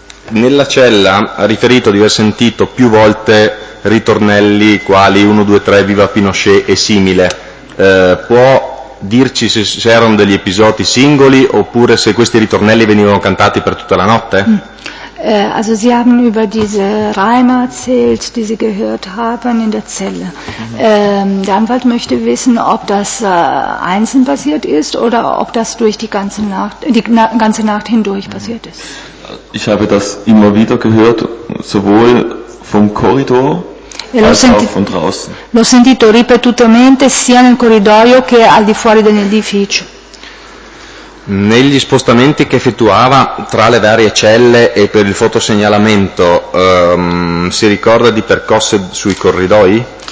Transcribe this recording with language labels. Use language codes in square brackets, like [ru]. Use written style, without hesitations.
[it] Nella cella ha riferito di aver sentito più volte ritornelli quali 1, 2, 3, viva Pinochet e simile. Può dirci se erano degli episodi singoli oppure se questi ritornelli venivano cantati per tutta la notte? [de] Also Sie haben über diese Reime erzählt, die Sie gehört haben in der Zelle. Der Anwalt möchte wissen, ob das einzeln passiert ist oder ob das durch die ganze Nacht hindurch passiert ist. Ich habe das immer wieder gehört, sowohl vom Korridor als auch von draußen. [it] L'ho sentito ripetutamente sia nel corridoio che al di fuori dell'edificio. Negli spostamenti che effettuava tra le varie celle e per il fotosegnalamento, si ricorda di percosse sui corridoi?